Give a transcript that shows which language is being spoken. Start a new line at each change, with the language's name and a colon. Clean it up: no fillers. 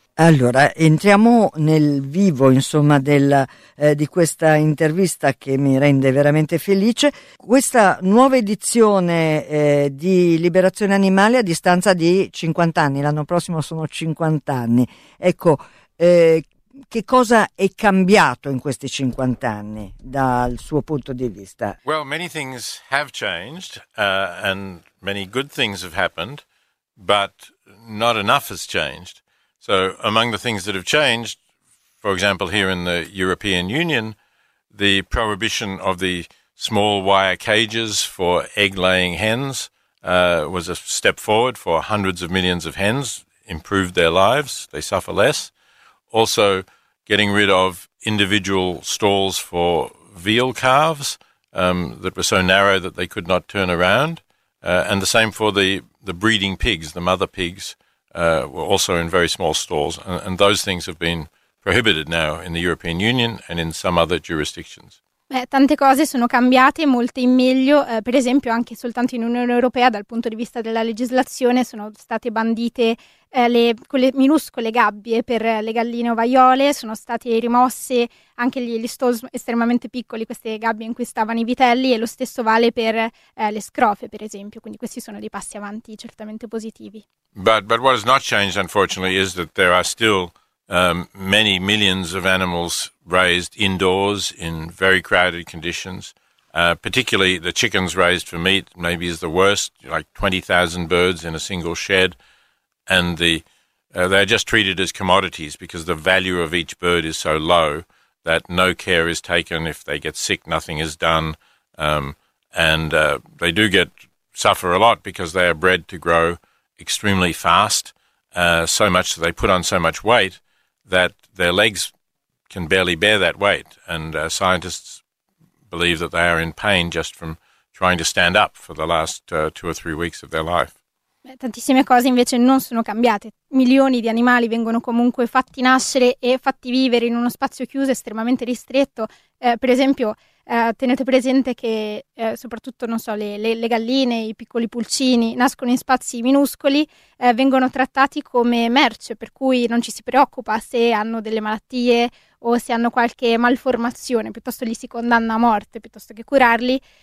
Italian: Allora, entriamo nel vivo, insomma, di questa intervista che mi rende veramente felice. Questa nuova edizione di Liberazione Animale a distanza di 50 anni, l'anno prossimo sono 50 anni. Ecco, che cosa è cambiato in questi 50 anni dal suo punto di vista?
English: Well, many things have changed and many good things have happened, but not enough has changed. So among the things that have changed, for example, here in the European Union, the prohibition of the small wire cages for egg-laying hens was a step forward for hundreds of millions of hens, improved their lives, they suffer less. Also, getting rid of individual stalls for veal calves that were so narrow that they could not turn around, and the same for the breeding pigs, the mother pigs, were also in very small stalls, and those things have been prohibited now in the European Union and in some other jurisdictions.
Italian: Tante cose sono cambiate, molte in meglio, per esempio anche soltanto in Unione Europea dal punto di vista della legislazione sono state bandite quelle minuscole gabbie per le galline ovaiole, sono state rimosse anche gli stalls estremamente piccoli, queste gabbie in cui stavano i vitelli, e lo stesso vale per le scrofe, per esempio, quindi questi sono dei passi avanti certamente positivi.
English: But what has not changed, unfortunately, is that there are still many millions of animals raised indoors in very crowded conditions, particularly the chickens raised for meat maybe is the worst, like 20,000 birds in a single shed, and they're just treated as commodities because the value of each bird is so low that no care is taken. If they get sick, nothing is done, they do get suffer a lot because they are bred to grow extremely fast, so much that they put on so much weight that their legs can barely bear that weight, and scientists believe that they are in pain just from trying to stand up for the last 2 or 3 weeks of their life.
Italian: Tantissime cose invece non sono cambiate. Milioni di animali vengono comunque fatti nascere e fatti vivere in uno spazio chiuso estremamente ristretto. Per esempio, tenete presente che soprattutto, non so, le galline, i piccoli pulcini nascono in spazi minuscoli, vengono trattati come merce, per cui non ci si preoccupa se hanno delle malattie o se hanno qualche malformazione, piuttosto li si condanna a morte piuttosto che curarli.